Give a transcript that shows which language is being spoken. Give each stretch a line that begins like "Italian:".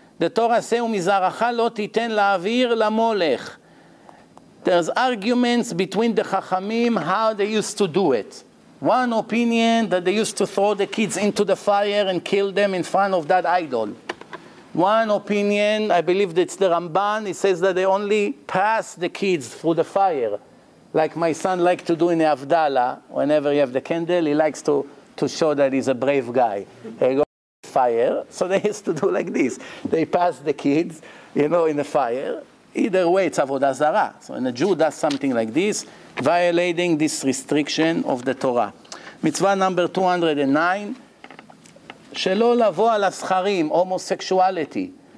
English: The Torah says,
Hebrew: ומזרעך לא תיתן להעביר למולך.
English: There's arguments between the Chachamim, how they used to do it. One opinion, that they used to throw the kids into the fire and kill them in front of that idol. One opinion, I believe that's the Ramban, it says that they only pass the kids through the fire, like my son likes to do in the Avdala. Whenever you have the candle, he likes to show that he's a brave guy. They go to the fire, so they used to do like this. They pass the kids, you know, in the fire. Either way, it's Avodah Zarah. So when a Jew does something like this, violating this restriction of the Torah. Mitzvah number 209.
Hebrew: שלא לבוא על הסחרים, homosexuality.